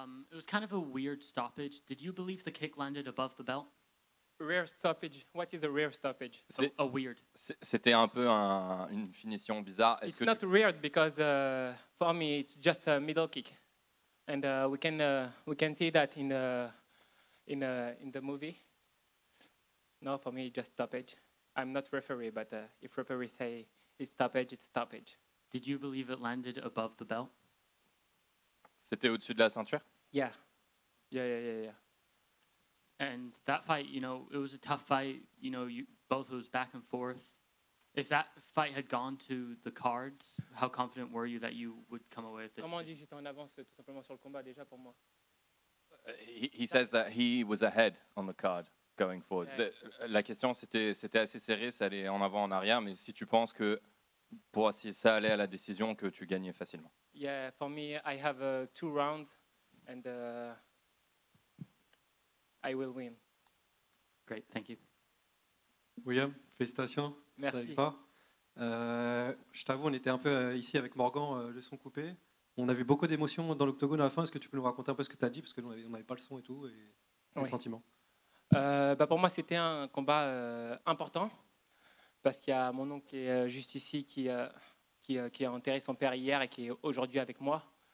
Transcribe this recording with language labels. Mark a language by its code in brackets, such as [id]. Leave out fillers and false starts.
[en] It was kind of a weird stoppage. Did you believe the kick landed above the belt? Rare stoppage. What is a rare stoppage? A weird. [fr] C'était un peu une finition bizarre. [en] It's que not rare because for me it's just a middle kick, and we can see that in the movie. No, for me it's just stoppage. I'm not referee, but if referee say it's stoppage, it's stoppage. Did you believe it landed above the belt? [fr] C'était au-dessus de la ceinture? [en] Yeah. And that fight, you know, it was a tough fight. You know, both it was back and forth. If that fight had gone to the cards, how confident were you that you would come away with it? [fr] Comment dis-je, j'étais en avance tout simplement sur le combat déjà pour moi. [en] He says that he was ahead on the card going forward. Yeah. [fr] La question, c'était assez serré, ça allait en avant, en arrière. Mais si tu penses que pour si ça allait à la décision, que tu gagnais facilement. [en] Yeah, for me, I have two rounds and I will win. Great, thank you. [fr] William, félicitations. Merci. Je t'avoue, on était un peu ici avec Morgan, le son coupé. On a vu beaucoup d'émotions dans l'octogone à la fin. Est-ce que tu peux nous raconter un peu ce que tu as dit? Parce qu'on n'avait pas le son et tout, et oui. Les sentiments. Pour moi, c'était un combat important. Parce qu'il y a mon oncle qui est juste ici, qui a enterré son père hier et qui est aujourd'hui avec moi.